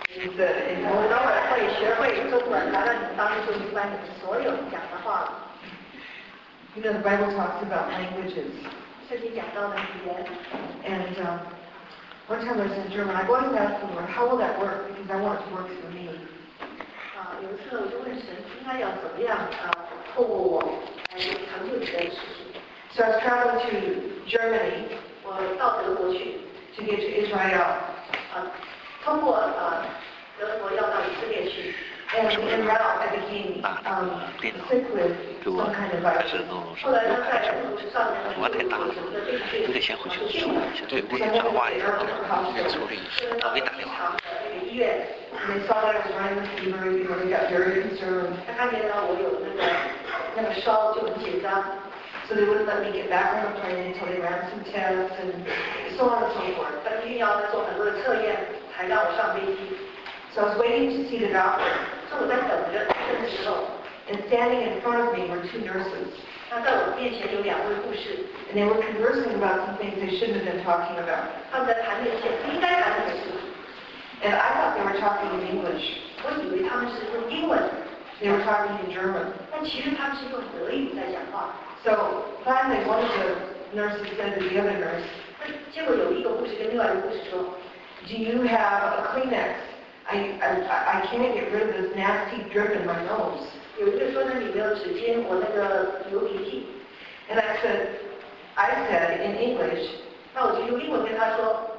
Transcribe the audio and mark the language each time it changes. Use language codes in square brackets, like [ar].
[en] You know, the Bible talks about languages. [zh] 圣经讲到的语言。 [en] And one time I was in German, I wanted to ask the Lord, how will that work? Because I want it to work for me. [zh] 有一次我就问神，应该要怎么样透过我来成就你的事情。 [en] So I was traveling to Germany. [zh] 我到德国去。 [en] To get to Israel. [zh] 通过德国要到以色列去。 [en] And en route, I became sick with some kind of virus. [zh] 后来他在路上，太大了，应该先回去处理一下。对，我得转弯，应该处理一下。我给打电话。 [en] And they saw that I was running with fever, you know, they got very concerned. [zh] 他看见到我有那个烧，就很紧张。 [en] So they wouldn't let me get back on the plane until they ran some tests and so on and so forth. [zh] 但硬要他做很多的测验，才让我上飞机。 [en] So I was waiting to see the doctor. [zh] So 我在等着这个时候。 [en] And standing in front of me were two nurses. [zh] 那在我面前有两位护士。 [en] And they were conversing about some things they shouldn't have been talking about. [zh] 他们在谈那些不应该谈的事。 [en] And I thought they were talking in English. [zh] 我以为他们是用英文。 [en] They were talking in German. [zh] 但其实他们是用德语在讲话。 [en] So finally, one of the nurses said to the other nurse. [zh] 那结果有一个护士跟另外一个护士说 [en] ，Do you have a Kleenex? I can't get rid of this nasty drip in my nose. [zh] 有一个说那里没有纸巾，我那个流鼻涕。 [en] And I said in English. [zh] 那我就用英文跟他说